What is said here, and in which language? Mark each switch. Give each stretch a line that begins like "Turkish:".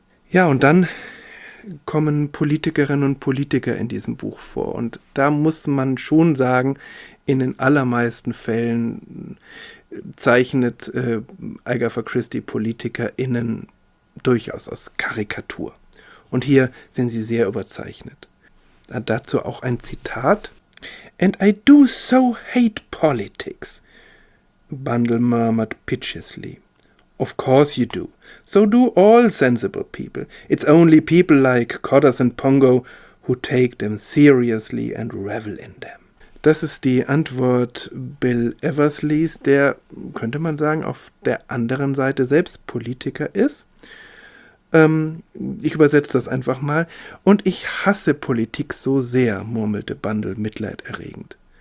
German: Ja, und dann kommen Politikerinnen und Politiker in diesem Buch vor. Und da muss man schon sagen, in den allermeisten Fällen zeichnet Agatha Christie PolitikerInnen durchaus aus Karikatur. Und hier sind sie sehr überzeichnet. Dazu auch ein Zitat.
English: "And I do so hate politics," Bundle murmured piteously. Of course you do. So do all sensible people. It's only people like Cotters and Pongo who take them seriously and revel in them.
German: Das ist die Antwort Bill Eversleys, der, könnte man sagen, auf der anderen Seite selbst Politiker ist. Ich übersetze das einfach mal. Und ich hasse Politik so sehr, murmelte Bundle mitleiderregend.